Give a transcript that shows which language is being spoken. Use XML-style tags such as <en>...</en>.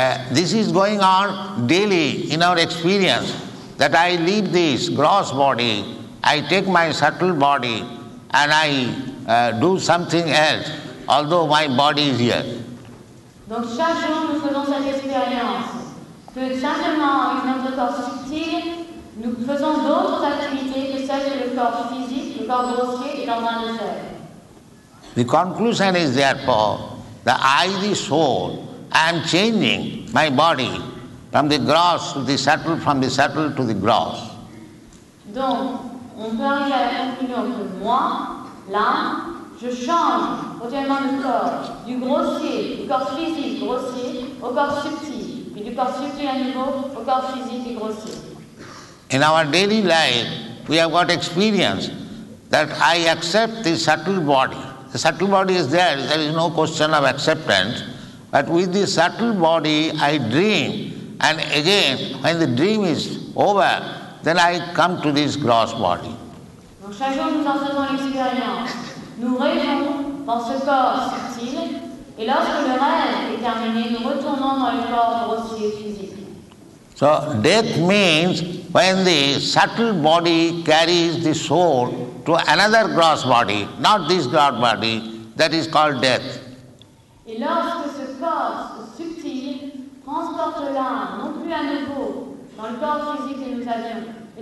<en>This is going on daily in our experience, that I leave this gross body, I take my subtle body and I do something else, although my body is here.</en> <fr>Donc chaque jour nous faisons cette expérience que simplement avec notre corps subtil, nous faisons d'autres activités que celles du corps physique, le corps grossier et l'organe de faire.</fr> <en>The conclusion is therefore that I, the soul, am changing my body from the gross to the subtle, from the subtle to the gross.</en> <fr>Donc, on peut arriver à la conclusion que moi, l'âme, je change continuellement le corps, du grossier, du corps physique grossier, au corps subtil, et du corps subtil à nouveau, au corps physique et grossier.</fr> <en>In our daily life, we have got experience that I accept the subtle body. The subtle body is there, there is no question of acceptance, but with the subtle body, I dream, and again, when the dream is over, then I come to this gross body.</en> <fr>Donc chaque jour nous en faisons l'expérience. Nous rêvons dans ce corps subtil et lorsque le rêve est terminé, nous retournons dans le corps grossier et physique.</fr> <en>So death means when the subtle body carries the soul to another gross body, not this gross body, that is called death.</en> <fr>Et lorsque ce corps subtil transporte l'âme non plus à nouveau dans le corps physique que nous avions,</fr>